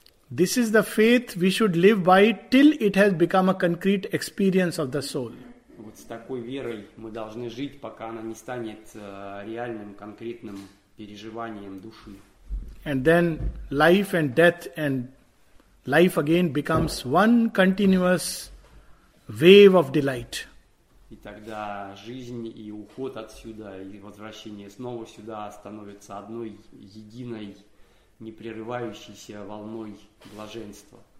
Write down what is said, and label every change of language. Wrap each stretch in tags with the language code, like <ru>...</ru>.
<en>This is the faith we should live by till it has become a concrete experience of the soul.</en> <ru>Вот с такой верой мы должны жить, пока она не станет реальным, конкретным переживанием души.</ru> <en>And then life and death and life again becomes one continuous wave of delight.</en> <ru>И тогда жизнь и уход отсюда, и возвращение снова сюда становится одной единой непрерывающейся волной блаженства.</ru>